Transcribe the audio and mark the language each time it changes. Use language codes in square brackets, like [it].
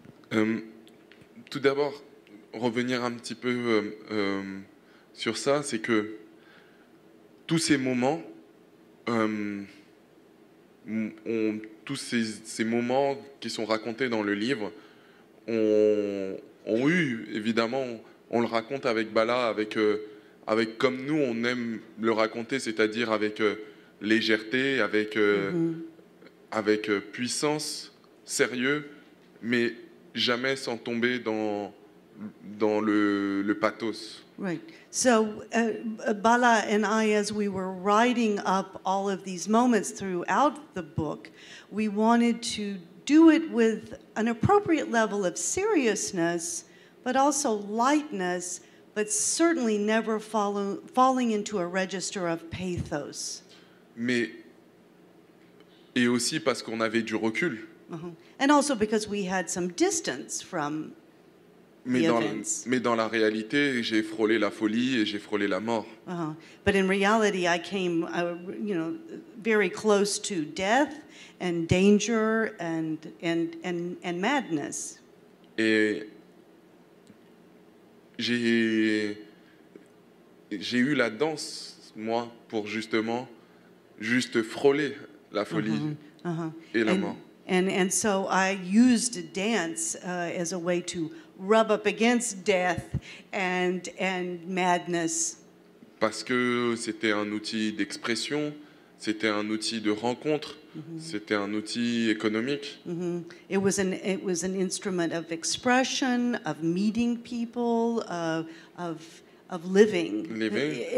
[fr] Tout d'abord, revenir un petit peu sur ça, c'est que tous ces moments, tous ces moments qui sont racontés dans le livre, ont eu, évidemment, on le raconte avec Bala, avec comme nous on aime le raconter, c'est-à-dire avec légèreté, avec puissance, sérieux, mais jamais sans tomber dans le pathos. [en] Right. So Bala and I, as we were writing up all of these moments throughout the book, we wanted to do it with an appropriate level of seriousness, but also lightness, but certainly never falling into a register of pathos. [fr] Mais, et aussi parce qu'on avait du recul. [en] And also because we had some distance from [fr] Mais dans la réalité, j'ai frôlé la folie et j'ai frôlé la mort. [en] But in reality, I came, you know, very close to death and danger and madness. [fr] Et j'ai eu la danse, moi, pour justement juste frôler la folie et la mort. [en] And so I used dance as a way to rub up against death and madness. [fr] Parce que c'était un outil d'expression, c'était un outil de rencontre, c'était un outil économique. [en] It was an instrument of expression, of meeting people, of living. Living.